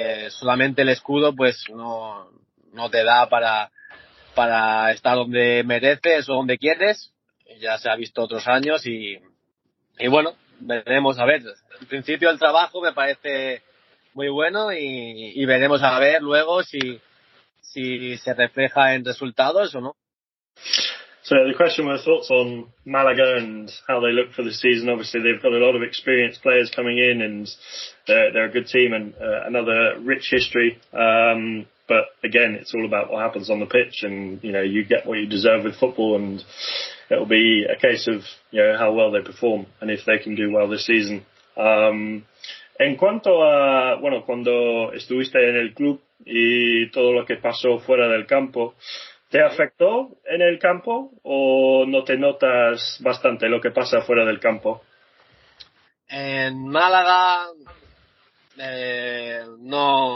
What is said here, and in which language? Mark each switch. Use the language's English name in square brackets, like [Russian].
[Spanish] Solamente el escudo pues no te da para estar donde mereces o donde quieres. Ya se ha visto otros años, y bueno, veremos a ver. En principio el trabajo me parece muy bueno, y veremos a ver luego si se refleja en resultados o no. [English] So the question was thoughts on Malaga and how they look for the season. Obviously, they've got a lot of experienced players coming in, and they're a good team and another rich history. But again, it's all about what happens on the pitch, and you know, you get what you deserve with football, and it'll be a case of, you know, how well they perform and if they can do well this season. [Spanish] En cuanto a, bueno, cuando estuviste en el club y todo lo que pasó fuera del campo, ¿te afectó en el campo o no te notas bastante lo que pasa fuera del campo? En Málaga, no.